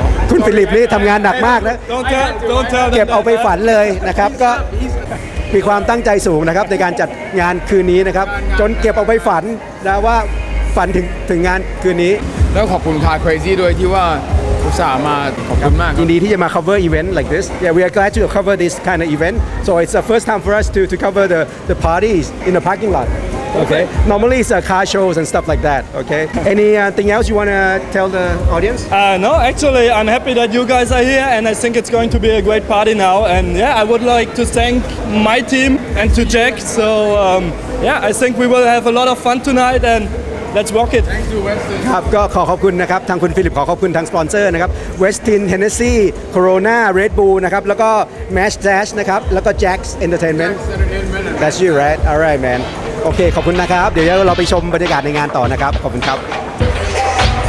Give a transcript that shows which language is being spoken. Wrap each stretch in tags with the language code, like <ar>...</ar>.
<th>คุณฟิลิปนี่ทำงานหนักมากนะ</th> <en>don't tell</en> <th>เก็บเอาไปฝันเลยนะครับก็มีความตั้งใจสูงนะครับในการจัดงานคืนนี้นะครับจนเก็บเอาไปฝันนะว่าฝันถึงงานคืนนี้แล้วขอบคุณคาร์เครซี่ด้วยที่ว่าสามารถขอบคุณมาก ยินดีที่จะมา</th> <en>cover event like this yeah we are glad to cover this kind of event so it's the first time for us to cover the parties in the parking lot okay normally it's car shows and stuff like that okay anything else you want to tell the audience no actually I'm happy that you guys are here and I think it's going to be a great party now and yeah I would like to thank my team and to Jack so yeah I think we will have a lot of fun tonight andLet's rock it. Thank you, Westin.</en> <th>ครับก็ขอบคุณนะครับทางคุณฟิลิปขอขอบคุณทางสปอนเซอร์นะครับ Westin Hennessy Corona Red Bull นะครับแล้วก็ Mash Dash นะครับแล้วก็ Jack's Entertainment</th> <en>That's you right All right man</en> <th>โอเคขอบคุณนะครับเดี๋ยวเราไปชมบรรยากาศในงานต่อนะครับขอบคุณครับ</th> <en>We'll be right back.</en>